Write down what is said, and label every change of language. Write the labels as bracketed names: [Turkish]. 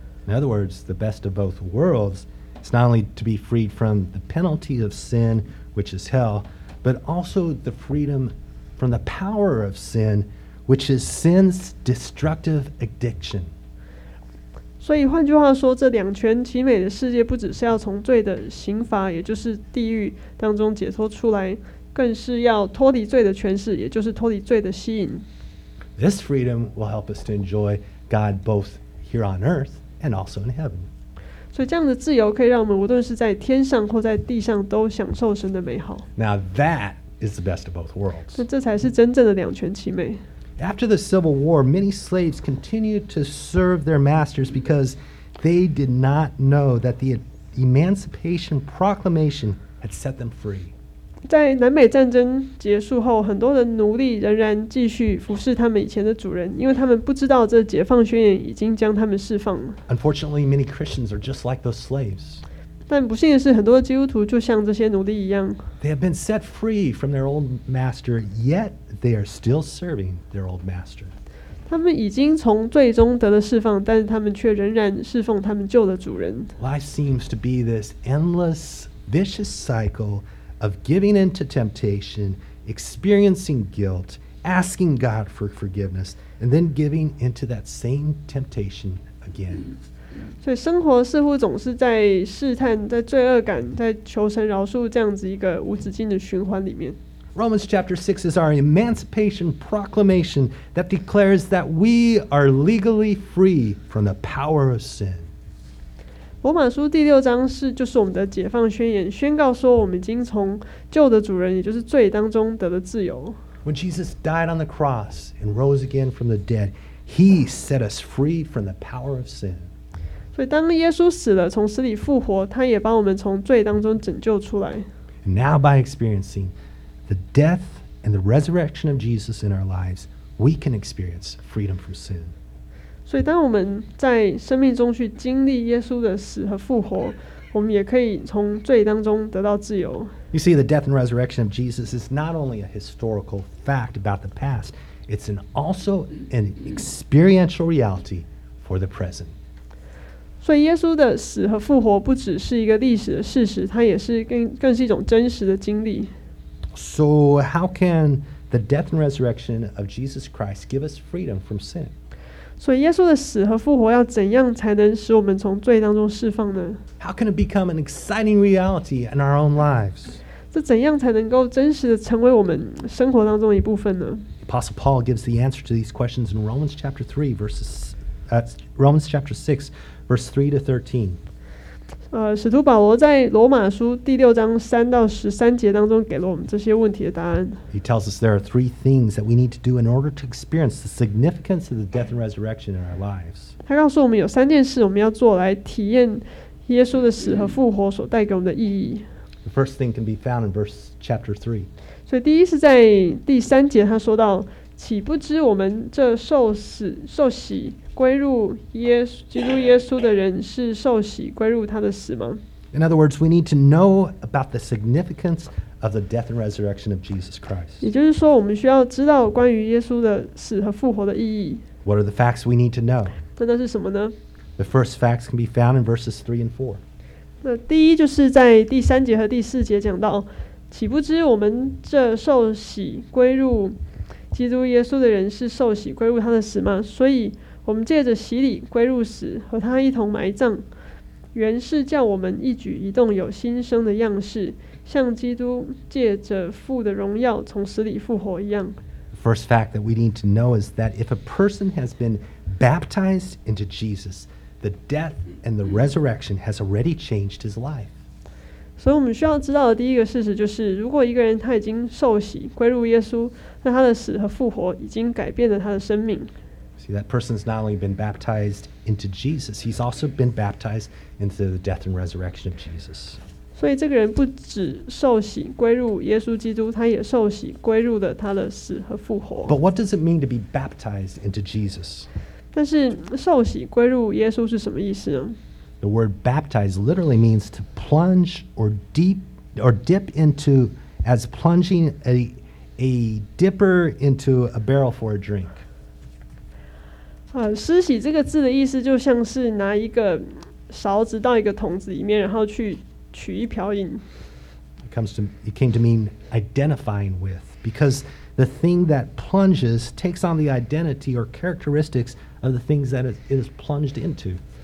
[English] In other words, the best of both worlds is not only to be freed from the penalty of sin, which is hell, but also the freedom from the power of sin, which is sin's destructive addiction. [Chinese] 所以换句话说，这两全其美的世界不只是要从罪的刑罚，也就是地狱当中解脱出来，更是要脱离罪的权势，也就是脱离罪的吸引。 [English] This freedom will help us to enjoy God both here on earth and also in heaven. [Chinese] 所以这样的自由可以让我们无论是在天上或在地上都享受神的美好。 [English] Now that is the best of both worlds. [Chinese] 那这才是真正的两全其美。 [English] After the Civil War, many slaves continued to serve their masters because they did not know that the Emancipation Proclamation had set them free. [Chinese] 在南北战争结束后，很多的奴隶仍然继续服侍他们以前的主人，因为他们不知道这解放宣言已经将他们释放了。 [English] Unfortunately, many Christians are just like those slaves. [Chinese] 但不幸的是，很多基督徒就像这些奴隶一样。 [English] They have been set free from their old master, yet they are still serving their old master. [Chinese] 他们已经从罪中得了释放，但是他们却仍然侍奉他们旧的主人。 [English] Life seems to be this endless, vicious cycle. Of giving in to temptation, experiencing guilt, asking God for forgiveness, and then giving into that same temptation again. [Chinese] 所以生活似乎总是在试探，在罪恶感，在求神饶恕这样子一个无止境的循环里面。 [English] Romans chapter 6 is our emancipation proclamation that declares that we are legally free from the power of sin. [Chinese] 罗马书第六章是就是我们的解放宣言，宣告说我们已经从旧的主人，也就是罪当中得了自由。 [English] When Jesus died on the cross and rose again from the dead, He set us free from the power of sin. [Chinese] 所以当耶稣死了，从死里复活，他也把我们从罪当中拯救出来。 [English] And now by experiencing the death and the resurrection of Jesus in our lives, we can experience freedom from sin. [Chinese] 所以当我们在生命中去经历耶稣的死和复活，我们也可以从罪当中得到自由。 [English] You see, the death and resurrection of Jesus is not only a historical fact about the past, it's also an experiential reality for the present. [Chinese] 所以耶稣的死和复活不只是一个历史的事实，它也是 更是一种真实的经历。 [English] So how can the death and resurrection of Jesus Christ give us freedom from sin? [Chinese] 所以耶稣的死和复活要怎样才能使我们从罪当中释放呢？ [English] How can it become an exciting reality in our own lives? [Chinese] 这怎样才能够真实的成为我们生活当中的一部分呢？ [English] Apostle Paul gives the answer to these questions in Romans chapter 3 verses, Romans chapter 6 verse 3 to 13. [Chinese] 使徒保罗在罗马书第六章三到十三节当中给了我们这些问题的答案。 [English] He tells us there are three things that we need to do in order to experience the significance of the death and resurrection in our lives. [Chinese] 他告诉我们有三件事我们要做来体验耶稣的死和复活所带给我们的意义。 [English] The first thing can be found in verse chapter 3. [Chinese] 所以第一是在第三节他说到，岂不知我们这受死受洗归入耶稣基督耶稣的人是受洗归入他的死吗？ [English] In other words, we need to know about the significance of the death and resurrection of Jesus Christ. [Chinese] 也就是说，我们需要知道关于耶稣的死和复活的意义。 [English] What are the facts we need to know? [Chinese] 那是什么呢？ [English] The first facts can be found in verses 3 and 4. [Chinese] 那第一就是在第三节和第四节讲到，岂不知我们这受洗归入基督耶稣的人是受洗归入他的死吗？所以我们借着洗礼归入死，和他一同埋葬，原是叫我们一举一动有新生的样式，像基督借着父的荣耀从死里复活一样。 [English] The first fact that we need to know is that if a person has been baptized into Jesus, the death and the resurrection has already changed his life. [Chinese] 所以我们需要知道的第一个事实就是，如果一个人他已经受洗归入耶稣，那他的死和复活已经改变了他的生命。 [English] See, that person's not only been baptized into Jesus, he's also been baptized into the death and resurrection of Jesus. [Chinese] 所以这个人不只受洗归入耶稣基督，他也受洗归入了他的死和复活。 [English] But what does it mean to be baptized into Jesus? [Chinese] 但是受洗归入耶稣是什么意思呢？ [English] The word baptized literally means to plunge or dip into, as plunging a dipper into a barrel for a drink. [Chinese] 施洗这个字的意思就像是拿一个勺子到一个桶子里面，然后去取一瓢饮。 [English] It came to mean identifying with, because the thing that plunges takes on the identity or characteristics of the things that it is plunged into.